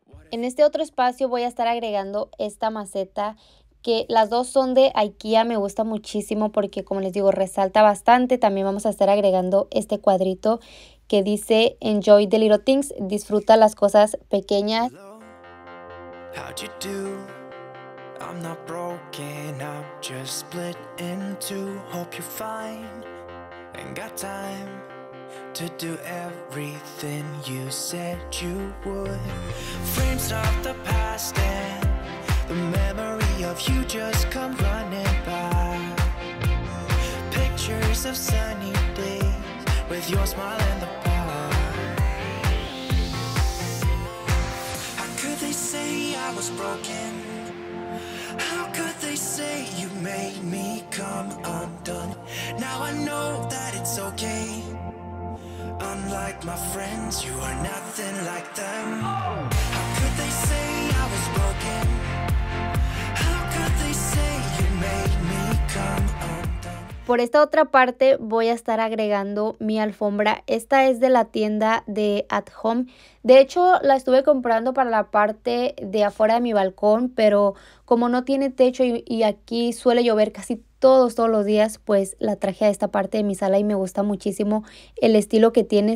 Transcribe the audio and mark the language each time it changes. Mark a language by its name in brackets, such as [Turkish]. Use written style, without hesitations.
[Spanish] En este otro espacio voy a estar agregando esta maceta, que las dos son de IKEA. Me gusta muchísimo porque, como les digo, resalta bastante. También vamos a estar agregando este cuadrito que dice [English] Enjoy the little things, [Spanish] disfruta las cosas pequeñas. [English] How'd you do? I'm not broken, I'm just split in two. Hope you're fine and got time to do everything you said you would. Frames of the past and the memory of you just come running by. Pictures of sunny days with your smile in the park. How could they say I was broken? How could they say you made me come undone? Now I know that it's okay. Unlike my friends, you are nothing like them. Oh. How could they say I was broken? How could they say you made me come undone? [Spanish] Por esta otra parte voy a estar agregando mi alfombra. Esta es de la tienda de At Home. De hecho, la estuve comprando para la parte de afuera de mi balcón, pero como no tiene techo y aquí suele llover casi todos los días, pues la traje a esta parte de mi sala y me gusta muchísimo el estilo que tiene.